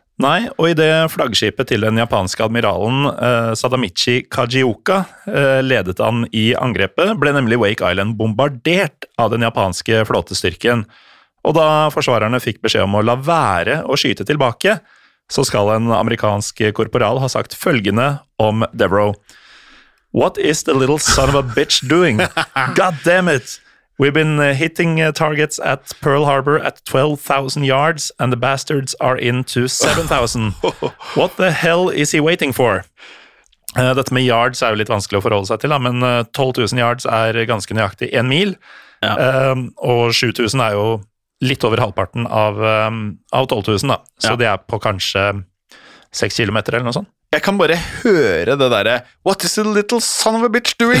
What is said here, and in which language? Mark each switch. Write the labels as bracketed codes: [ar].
[no] Nei, og i det flaggskipet til den japanske admiralen Sadamichi Kajioka ledet han i angrepet, ble nemlig Wake Island bombardert av den japanske flåtestyrken. Og da forsvarerne fikk beskjed om å la være å skyte tilbake, så skal en amerikansk korporal ha sagt følgende om Devereaux. [en] What is the little son of a bitch doing? God damn it! We've been hitting targets at Pearl Harbor at 12,000 yards, and the bastards are into 7,000. What the hell is he waiting for? [no] Dette med yards er jo litt vanskelig å forholde seg til, men 12,000 yards er ganske nøyaktig en mil, ja. Og 7,000 er jo litt over halvparten av 12,000, da. Så ja. Det er på kanskje 6 kilometer eller noe sånt. Jeg kan bare høre det der, [en] what is the little son of a bitch doing?